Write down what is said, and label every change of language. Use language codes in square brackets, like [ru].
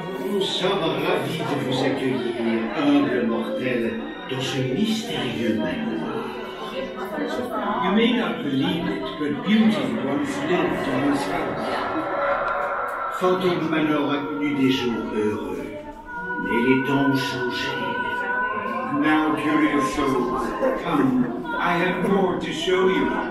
[fr] Nous sommes ravis de vous accueillir, humble mortel, dans ce mystérieux manoir. [en] You may not believe it, but beauty once lived in this house. [fr] Fantôme Manor a connu des jours heureux, mais les temps ont changé. [en] Now, curious souls, come, I have more to show you.